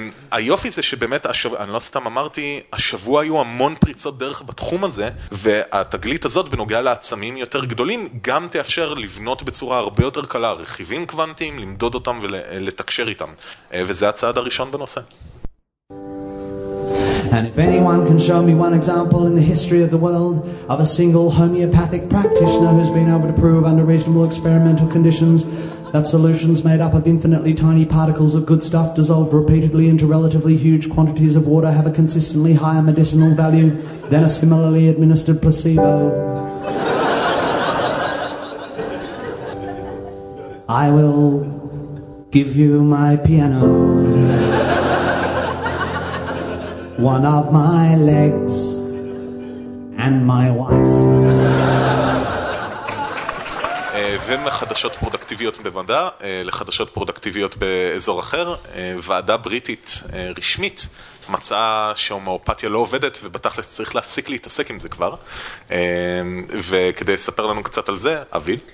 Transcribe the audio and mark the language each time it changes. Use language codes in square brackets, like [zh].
[he] היופי זה שבאמת, אני לא סתם אמרתי, השבוע היו המון פריצות דרך בתחום הזה, והתגלית הזאת בנוגע לעצמים יותר גדולים, גם תאפשר לבנות בצורה הרבה יותר קלה רכיבים קוונטיים, למדוד אותם ולתקשר איתם. וזה הצעד הראשון בנושא. [en] And if anyone can show me one example in the history of the world of a single homeopathic practitioner who's been able to prove under reasonable experimental conditions that solutions made up of infinitely tiny particles of good stuff dissolved repeatedly into relatively huge quantities of water have a consistently higher medicinal value than a similarly administered placebo. I will give you my piano. One of my legs and my wife. [he] בין לחדשות פרודקטיביות במדע, לחדשות פרודקטיביות באזור אחר, ועדה בריטית רשמית מצאה שהומאופתיה לא עובדת, ובתכלס צריך להפסיק להתעסק עם זה כבר. וכדי לספר לנו קצת על זה, אביב.